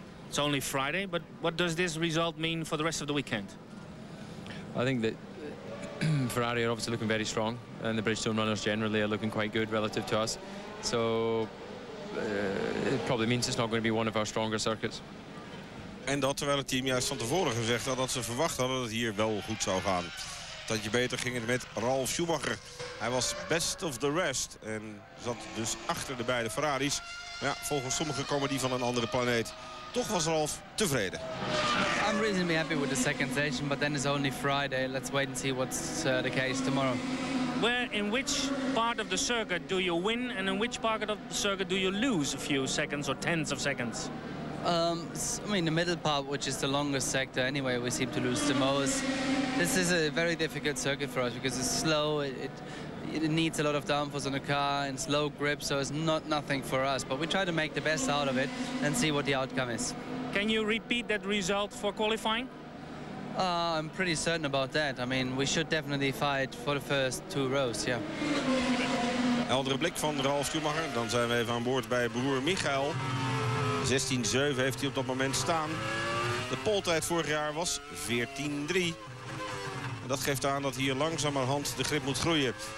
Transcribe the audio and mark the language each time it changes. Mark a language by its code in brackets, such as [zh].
[en] It's only Friday, but what does this result mean for the rest of the weekend? I think that Ferrari are obviously looking very strong, and the Bridgestone runners generally are looking quite good relative to us. So it probably means it's not going to be one of our stronger circuits. [nl] En dat terwijl het team juist van tevoren gezegd had dat ze verwacht hadden dat het hier wel goed zou gaan. Dat je beter ging het met Ralf Schumacher. Hij was [en] best of the rest [nl] en zat dus achter de beide Ferraris. Maar ja, volgens sommigen komen die van een andere planeet. Toch was Ralf tevreden. [en] I'm reasonably happy with the second station, but then it's only Friday. Let's wait and see what's the case tomorrow. Where in which part of the circuit do you win and in which part of the circuit do you lose a few seconds or tens of seconds? The middle part, which is the longest sector anyway, we seem to lose the most. This is a very difficult circuit for us because it's slow. It needs a lot of downforce on the car and slow grip, so it's nothing for us. But we try to make the best out of it and see what the outcome is. Can you repeat that result for qualifying? I'm pretty certain about that. I mean, we should definitely fight for the first two rows, yeah. [nl] Heldere blik van Ralf Schumacher. Dan zijn we even aan boord bij broer Michael. 16-7 heeft hij op dat moment staan. De poltijd vorig jaar was 14-3. En dat geeft aan dat hier langzamerhand de grip moet groeien.